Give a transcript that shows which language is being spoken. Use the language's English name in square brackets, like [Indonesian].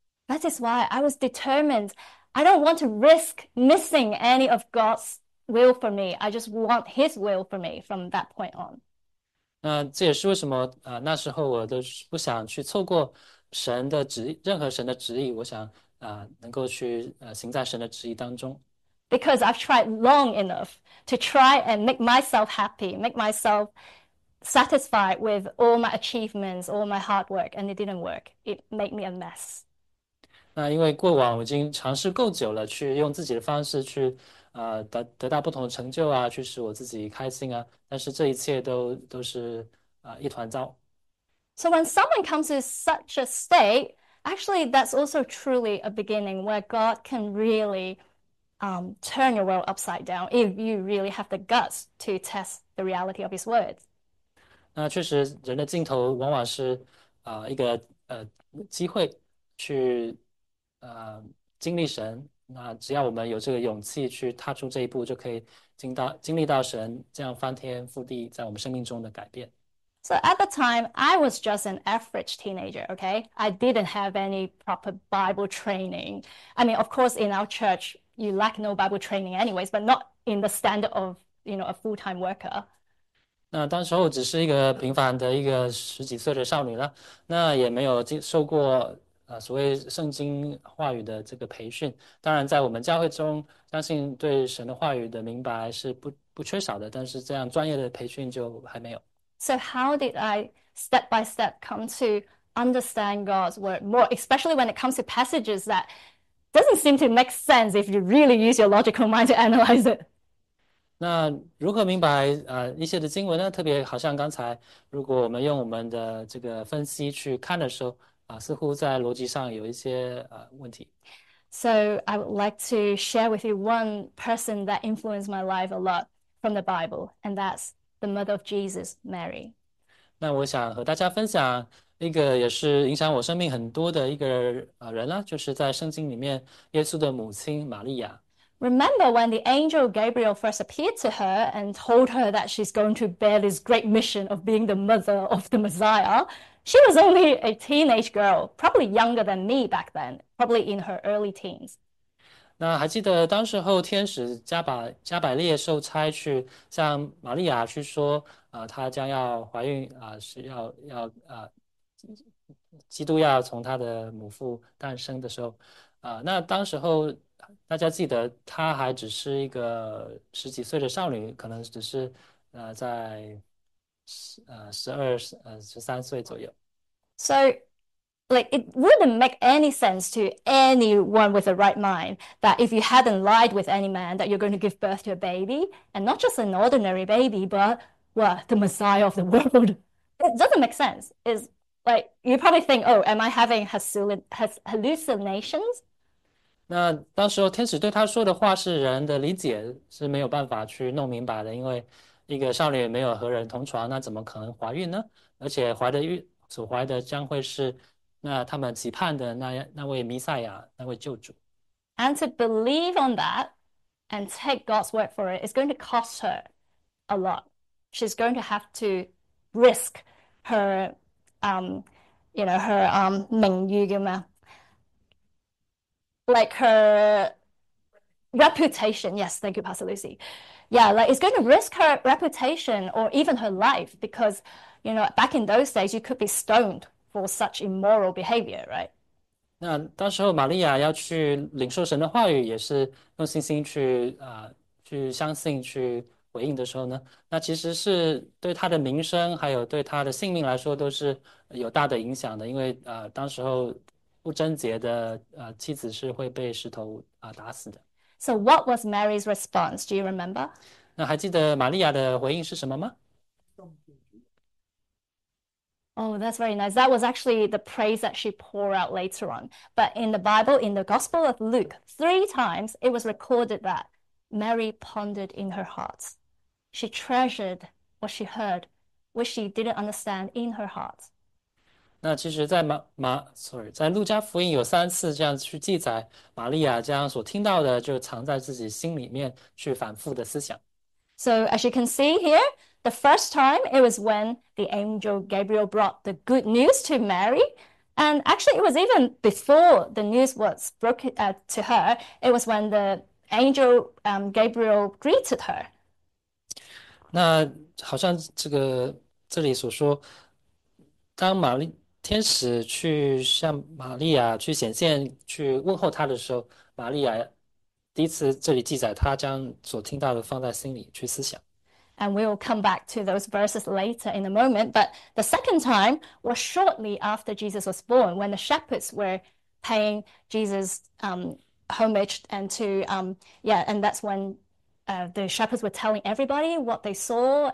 [English] That is why I was determined. I don't want to risk missing any of God's will for me. I just want his will for me from that point on. [Chinese] 那这也是为什么那时候我都不想去错过神的旨意，任何神的旨意，我想能够去行在神的旨意当中。 [English] Because I've tried long enough to try and make myself happy, make myself satisfied with all my achievements, all my hard work, and it didn't work. It made me a mess. [Chinese] 那因为过往我已经尝试够久了，去用自己的方式去。得到不同的成就啊，去使我自己开心啊，但是这一切都是一团糟。 [English] So when someone comes to such a state, actually, that's also truly a beginning where God can really turn your world upside down if you really have the guts to test the reality of his words. [Chinese] 那确实，人的尽头往往是一个机会去经历神。那只要我们有这个勇气去踏出这一步，就可以经历到神这样翻天覆地在我们生命中的改变。 [English] So at the time, I was just an average teenager, okay? I didn't have any proper Bible training. I mean, of course, in our church, you lack no Bible training anyways, but not in the standard of, a full-time worker. [Chinese] 那当时候只是一个平凡的一个十几岁的少女了，那也没有经受过。所谓圣经话语的这个培训，当然在我们教会中，相信对神的话语的明白是不缺少的，但是这样专业的培训就还没有。 [English] So how did I step by step come to understand God's word more, especially when it comes to passages that doesn't seem to make sense if you really use your logical mind to analyze it? [Chinese] 那如何明白一些的经文呢？特别好像刚才，如果我们用我们的这个分析去看的时候。似乎在逻辑上有一些问题。 [English] So I would like to share with you one person that influenced my life a lot from the Bible, and that's the mother of Jesus, Mary. [Chinese] 那我想和大家分享一个也是影响我生命很多的一个人啦，就是在圣经里面耶稣的母亲玛利亚。 [English] Remember when the angel Gabriel first appeared to her and told her that she's going to bear this great mission of being the mother of the Messiah? She was only a teenage girl, probably younger than me back then, probably in her early teens. [Chinese] 那还记得当时候，天使加百列受差去向玛利亚去说，她将要怀孕，是要，基督要从她的母腹诞生的时候，那当时候大家记得，她还只是一个十几岁的少女，可能只是在12、13岁左右。 [English] So, like, it wouldn't make any sense to anyone with a right mind that if you hadn't lied with any man that you're going to give birth to a baby, and not just an ordinary baby, but what, the Messiah of the world. It doesn't make sense. It's like you probably think, oh, am I having hallucinations? [Chinese] 那当时候天使对他说的话是人的理解是没有办法去弄明白的，因为一个少女没有和人同床，那怎么可能怀孕呢？而且怀的孕所怀的将会是那他们期盼的那位弥赛亚，那位救主。 [English] And to believe on that and take God's word for it is going to cost her a lot. She's going to have to risk her, her, ma, like her reputation. Yes, thank you, Pastor Lucy. Yeah, like it's going to risk her reputation or even her life because, back in those days, you could be stoned for such immoral behavior, right? [Chinese] 那到时候，玛利亚要去领受神的话语，也是用信心去相信、去回应的时候呢，那其实是对他的名声，还有对他的性命来说，都是有大的影响的。因为当时候不贞洁的妻子是会被石头打死的。 [English] So, what was Mary's response? Do you remember? [Chinese] 那还记得玛利亚的回应是什么吗？ [English] Oh, that's very nice. That was actually the praise that she poured out later on. But in the Bible, in the Gospel of Luke, three times it was recorded that Mary pondered in her heart. She treasured what she heard, which she didn't understand in her heart. [Chinese] 那其实在在路加福音有3次这样去记载，玛利亚将所听到的就藏在自己心里面去反复的思想。 [English] So, as you can see here, the first time it was when the angel Gabriel brought the good news to Mary. And actually, it was even before the news was broken to her, it was when the angel Gabriel greeted her. [Chinese] 那好像这里所说，当玛利。天使去向玛利亚去显现，去问候她的时候，玛利亚第一次这里记载，她将所听到的放在心里去思想。 [English] And we'll come back to those verses later in a moment. But the second time was shortly after Jesus was born, when the shepherds were paying Jesus homage and to yeah, and that's when the shepherds were telling everybody what they saw.